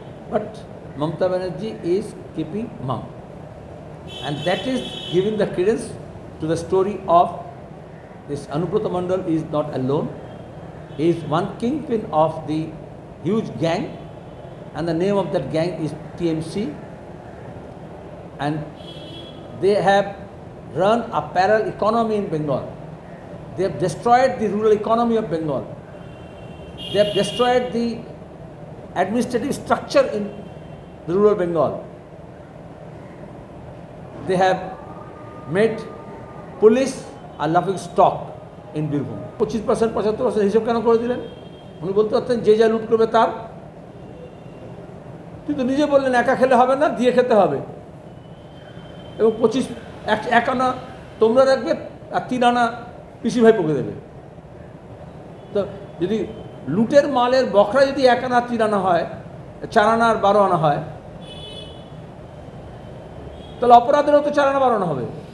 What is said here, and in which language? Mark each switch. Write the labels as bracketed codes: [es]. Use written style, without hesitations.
[en] But Mamata Banerjee is keeping mum and that is giving the credence to the story of this Anubrata Mondal is not alone, he is one kingpin of the huge gang and the name of that gang is TMC, and they have run a parallel economy in Bengal. They have destroyed the rural economy of Bengal. They have destroyed the administrative structure in the rural Bengal. They have made police a laughing stock in Birbhum. [bn] 25% 75% hisab keno kore dilen uni bolte hatchen je ja loot korbe tar, কিন্তু নিজে বললেন একা খেলে হবে না, দিয়ে খেতে হবে। এবং 25 এক আনা তোমরা রাখবে আর 3 আনা পিসি ভাই পকে দেবে। তো যদি লুটের মালের বখরা যদি এক আনা 3 আনা হয়, 4 আনা আর 12 আনা হয়, তাহলে অপরাধেরও তো 4 আনা 12 আনা হবে।